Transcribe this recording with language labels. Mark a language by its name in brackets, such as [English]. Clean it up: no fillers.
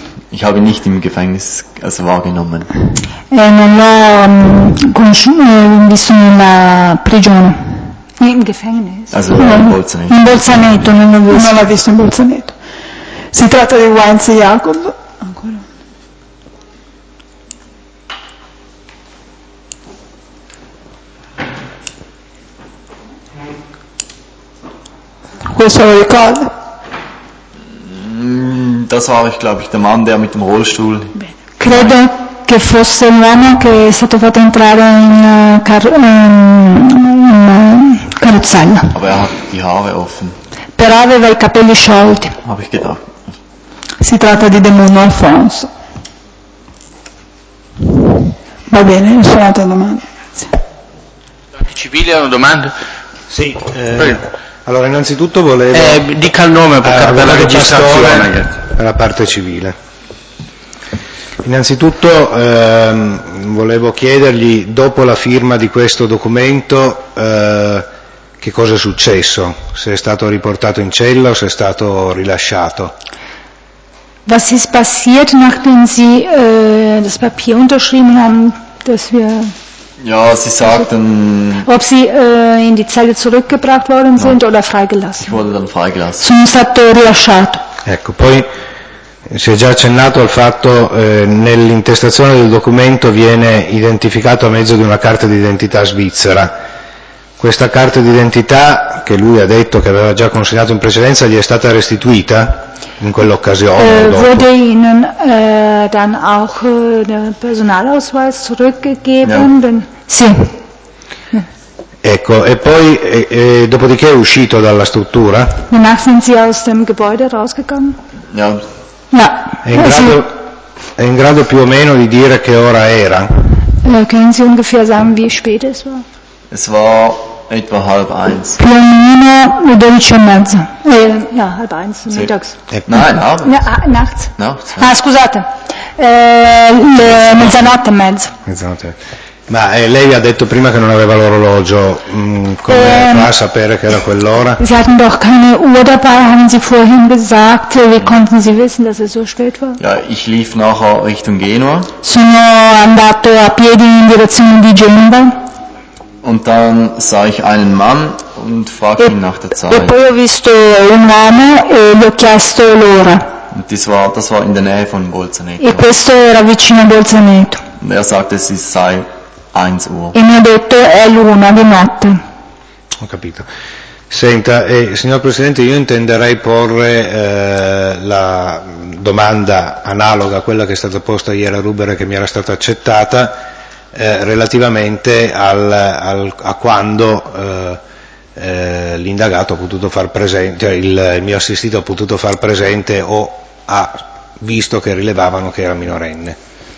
[German] Ich habe nicht im Gefängnis also wahrgenommen. [Italian] Non l'ho visto nella prigione. [German] In Gefängnis. Also in Bolzaneto. [Italian] In Bolzaneto, non l'ho visto in Bolzaneto. Si tratta di Wenz Jakob. Ancora. Questo lo ricordo. [German] Das war, ich glaube, der Mann, der mit dem Rollstuhl. [Italian] Credo che fosse l'uomo che è stato fatto entrare in carrozzella. [German] Aber er hat die Haare offen. [Italian] Però aveva i capelli sciolti. [German] Habe ich gedacht. [Italian] Si tratta di Demone Alfonso. Va bene, nessuna altra domanda. I civili hanno domande? Sì. Allora, innanzitutto volevo. Dica il nome per la registrazione. La parte civile. Innanzitutto volevo chiedergli, dopo la firma di questo documento, che cosa è successo? Se è stato riportato in cella o se è stato rilasciato? [German] Was ist passiert, nachdem Sie das Papier unterschrieben haben, dass wir... Ja, Sie sagten... Ob Sie in die Zelle zurückgebracht worden sind oder freigelassen? Ich wurde dann freigelassen. [Italian] Sono stato rilasciato. Ecco, poi si è già accennato al fatto nell'intestazione del documento viene identificato a mezzo di una carta d'identità svizzera. Questa carta d'identità, che lui ha detto che aveva già consegnato in precedenza, gli è stata restituita in quell'occasione? [German] Wurde Ihnen dann auch der Personalausweis zurückgegeben? Ja. [Italian] Sì. Ecco, e poi, dopodiché è uscito dalla struttura? [German] Danach sind Sie aus dem Gebäude rausgekommen? Ja. Ja. [Italian] È in grado più o meno di dire che ora era? [German] Können Sie ungefähr sagen, wie spät es war? Es war etwa halb eins. [Italian] Più o meno le 12:30. [German] Ja, halb eins, [Italian] sì. [German] Mittags. Nein, abends. Ja, nachts. Nachts. [Italian] Ah, scusate. Mezzanotte e mezzo. Mezzanotte. Ma lei ha detto prima che non aveva l'orologio. Come fa a sapere che era quell'ora? Sie hatten doch keine Uhr dabei, haben Sie vorhin gesagt. Wie konnten Sie wissen, dass es so spät war? [German] Ja, ich lief nachher Richtung Genua. [Italian] Sono andato a piedi in direzione di Genova. [German] Und dann sah ich einen Mann und fragte ihn nach der Zeit. [Italian] E poi ho visto un uomo e gli ho chiesto l'ora. [German] Das war in der Nähe von Bolzaneto. [Italian] E questo era vicino a Bolzaneto. [German] Und er sagte, es sei 1 Uhr. [Italian] E mi ha detto è l'una di notte. Ho capito. Senta, signor Presidente, io intenderei porre la domanda analoga a quella che è stata posta ieri a Rubera, che mi era stata accettata, relativamente a quando l'indagato ha potuto far presente, cioè il mio assistito ha potuto far presente o ha visto che rilevavano che era minorenne.